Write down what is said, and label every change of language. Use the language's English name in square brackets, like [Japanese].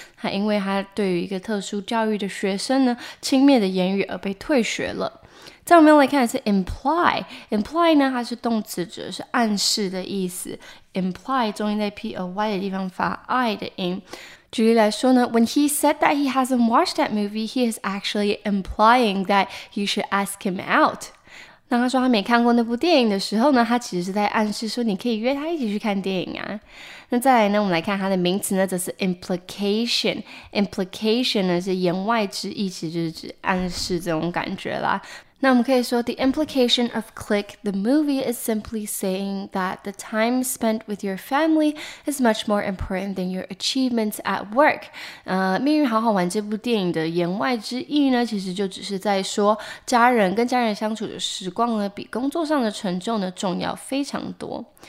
[Chinese] 她因为她对于一个特殊教育的学生呢，轻蔑的言语而被退学了。在我们来看的是 imply 呢，它是动词，指的是暗示的意思。 imply 重音在 p-o-y 的地方发 i 的音。举例来说呢 [English] ，When he said that he hasn't watched that movie, he is actually implying that you should ask him out. [Chinese] 当他说他没看过那部电影的时候呢，他其实是在暗示说你可以约他一起去看电影啊。那再来呢，我们来看它的名词呢，则是 implication。 implication 呢是言外之意，其实就是指暗示这种感觉啦。那我们可以说 [English] The implication of click the movie is simply saying that the time spent with your family is much more important than your achievements at work. [Chinese] 命运好好玩这部电影的言外之意呢，其实就只是在说家人跟家人相处的时光呢，比工作上的成就呢重要非常多。